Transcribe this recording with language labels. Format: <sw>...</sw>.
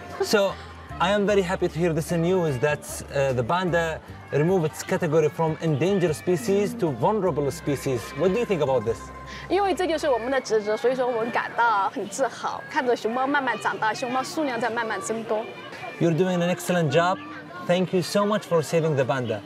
<en>So I am very happy to hear this news that the panda removed its category from endangered species to vulnerable species. What do you think about this?</en> <zh>因为这就是我们的职责，所以说我们感到很自豪，看着熊猫慢慢长大，熊猫数量在慢慢增多。</zh> <en>You're doing an excellent job. Thank you so much for saving the panda.</en>